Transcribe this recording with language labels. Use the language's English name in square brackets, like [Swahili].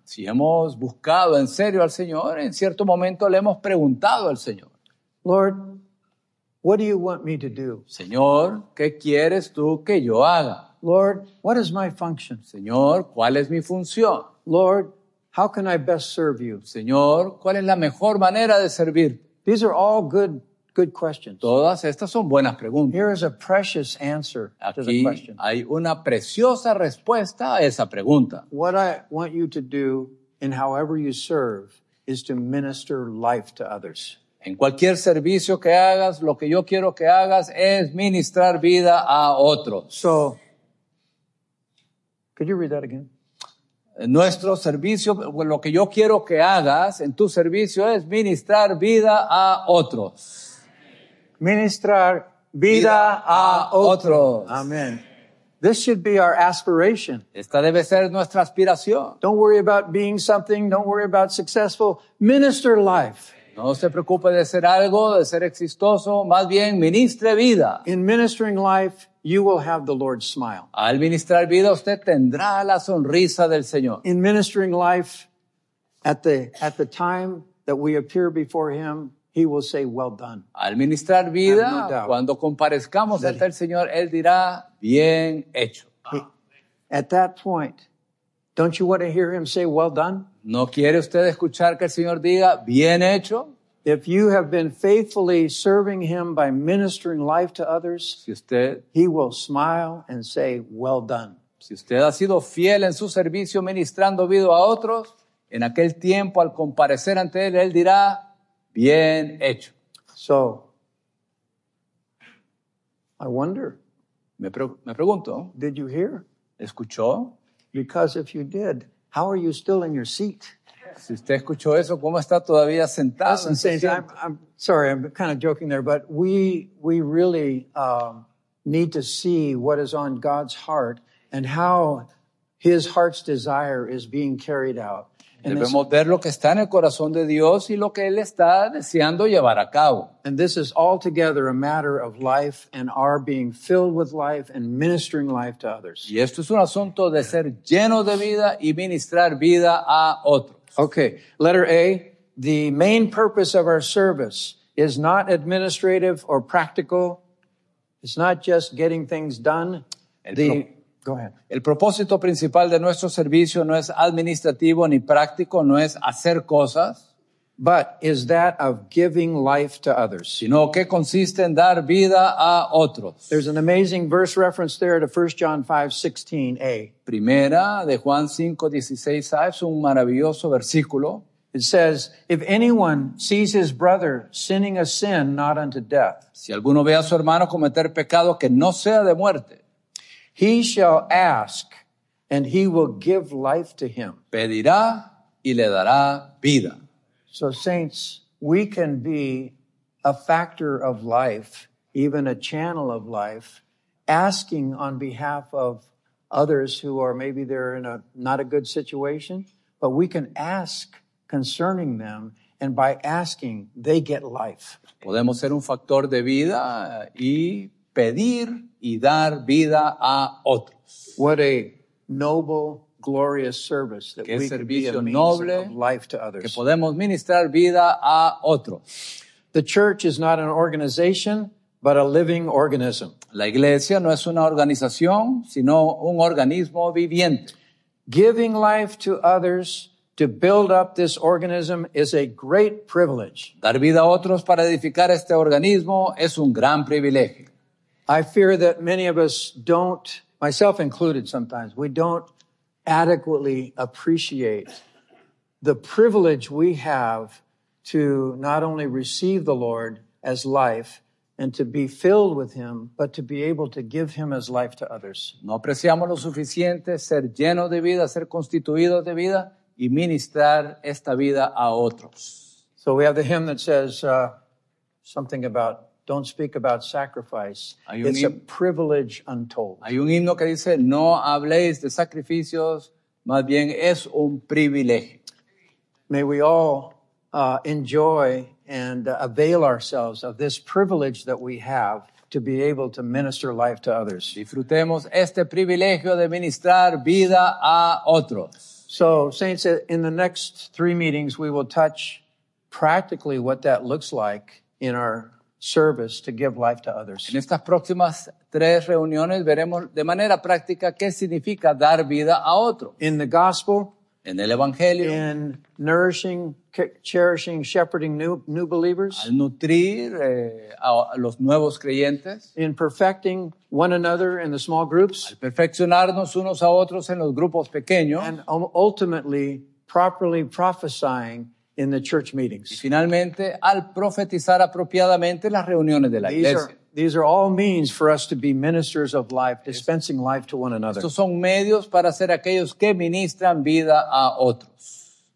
[Spanish] Si hemos buscado en serio al Señor, en cierto momento le hemos preguntado al Señor. [English] Lord, what do you want me to do? [Spanish] Señor, ¿qué quieres tú que yo haga? [English] Lord, what is my function? [Spanish] Señor, ¿cuál es mi función? [English] Lord, how can I best serve you? [Spanish] Señor, ¿cuál es la mejor manera de servir? [English] These are all good questions. [Spanish] Todas estas son buenas preguntas. [English] Here is a precious answer [Spanish] aquí [English] to the question. [Spanish] Hay una preciosa respuesta a esa pregunta. [English] What I want you to do in however you serve is to minister life to others. [Spanish] En cualquier servicio que hagas, lo que yo quiero que hagas es ministrar vida a otros. [English] So, could you read that again? [Spanish] Nuestro servicio, lo que yo quiero que hagas en tu servicio es ministrar vida a otros. Ministrar vida a otros. Amen. [English] This should be our aspiration. [Spanish] Esta debe ser nuestra aspiración. [English] Don't worry about being something. Don't worry about successful. Minister life. [Spanish] No se preocupe de ser algo, de ser exitoso. Más bien, ministre vida. [English] In ministering life, you will have the Lord's smile. [Spanish] Al ministrar vida, usted tendrá la sonrisa del Señor. [English] In ministering life, at the time that we appear before Him, He will say, well done. [Spanish] Al ministrar vida, no, cuando comparezcamos ante el Señor, Él dirá, bien hecho. [English] At that point, don't you want to hear Him say, well done? [Spanish] ¿No quiere usted escuchar que el Señor diga, bien hecho? [English] If you have been faithfully serving Him by ministering life to others, [Spanish] si usted, [English] He will smile and say, well done. [Spanish] Si usted ha sido fiel en su servicio ministrando vida a otros, en aquel tiempo al comparecer ante Él, Él dirá, bien hecho. [English] So, I wonder, [Spanish] Me pregunto. [English] Did you hear? [Spanish] ¿Escuchó? [English] Because if you did, how are you still in your seat? [Spanish] Si usted escuchó eso, ¿cómo está todavía sentado? [English] Listen, Saints, I'm sorry, I'm kind of joking there, but we really need to see what is on God's heart and how His heart's desire is being carried out. And [Spanish] debemos ver lo que está en el corazón de Dios y lo que Él está deseando llevar a cabo. [English] And this is altogether a matter of life and our being filled with life and ministering life to others. [Spanish] Y esto es un asunto de ser lleno de vida y ministrar vida a otros. [English] Okay, letter A, the main purpose of our service is not administrative or practical. It's not just getting things done. [Spanish] El propósito principal de nuestro servicio no es administrativo ni práctico, no es hacer cosas. [English] But is that of giving life to others. [Spanish] Sino que consiste en dar vida a otros. [English] There's an amazing verse reference there to 1 John 5:16a. [Spanish] Primera de Juan 5:16a es un maravilloso versículo. [English] It says, if anyone sees his brother sinning a sin not unto death. [Spanish] Si alguno ve a su hermano cometer pecado que no sea de muerte. [English] He shall ask and he will give life to him. [Spanish] Pedirá y le dará vida. [English] So saints, we can be a factor of life, even a channel of life, asking on behalf of others who are maybe they're in a not a good situation, but we can ask concerning them, and by asking, they get life. [Spanish] Podemos ser un factor de vida y pedir y dar vida a otros. [English] What a noble glorious service that [Spanish] que [English] we can be a means [Spanish] noble, [English] of life to others. [Spanish] Que podemos ministrar vida a otros. [English] The church is not an organization, but a living organism. [Spanish] La iglesia no es una organización, sino un organismo viviente. [English] Giving life to others to build up this organism is a great privilege. [Spanish] Dar vida a otros para edificar este organismo es un gran privilegio. [English] I fear that many of us don't, myself included sometimes, we don't adequately appreciate the privilege we have to not only receive the Lord as life and to be filled with Him, but to be able to give Him as life to others. [Spanish] No apreciamos lo suficiente ser lleno de vida, ser constituido de vida y ministrar esta vida a otros. [English] So we have the hymn that says something about don't speak about sacrifice. It's a privilege untold. [Spanish] Hay un himno que dice, no habléis de sacrificios, más bien es un privilegio. [English] May we all enjoy and avail ourselves of this privilege that we have to be able to minister life to others. [Spanish] Disfrutemos este privilegio de ministrar vida a otros. [English] So, saints, in the next three meetings, we will touch practically what that looks like in our service to give life to others. [Spanish] En estas próximas tres reuniones veremos de manera práctica qué significa dar vida a otro. [English] In the gospel, [Spanish] en el evangelio, [English] in nourishing, cherishing, shepherding new believers, [Spanish] al nutrir a los nuevos creyentes, [English] in perfecting one another in the small groups, [Spanish] al perfeccionarnos unos a otros en los grupos pequeños, [English] and ultimately properly prophesying in the church meetings. [Spanish] Y finalmente, al profetizar apropiadamente las reuniones de la iglesia. [English] These are all means for us to be ministers of life, dispensing life to one another. [Spanish] Estos son medios para ser aquellos que ministran vida a otros.